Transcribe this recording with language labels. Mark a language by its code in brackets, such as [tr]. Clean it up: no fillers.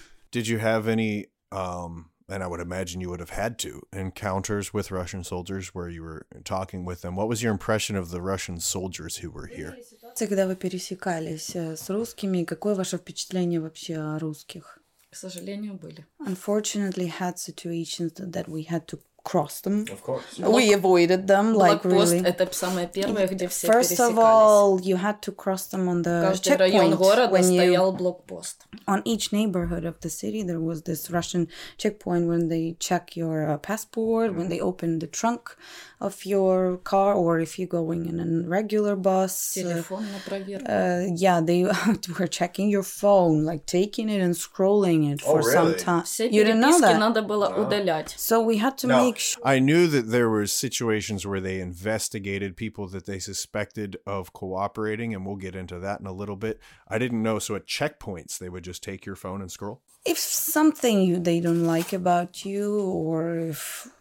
[en] Did you have any, and I would imagine you would have had to, encounters with Russian soldiers where you were talking with them? What was your impression of the Russian soldiers who were here? [ru] Когда вы пересекались с русскими, какое ваше впечатление вообще о русских? К сожалению, были. [en] Unfortunately, had situations that we had to cross them. Of course. We avoided them, like really. [ru] Это самое первое, где все пересекались. [en] First of all, you had to cross them on the checkpoint. [ru] Каждый район города стоял блокпост. [en] On each neighborhood of the city, there was this Russian checkpoint when they check your passport, when they open the trunk of your car, or if you're going in a regular bus. [ru] Телефонная проверка. [en] Yeah, they were checking your phone, like taking it and scrolling it for some time. [ru] Все переписки надо было удалять. [en] So we had to make sure. I knew that there were situations where they investigated people that they suspected of cooperating, and we'll get into that in a little bit. I didn't know, so at checkpoints, they would just take your phone and scroll? If something they don't like about you, or if...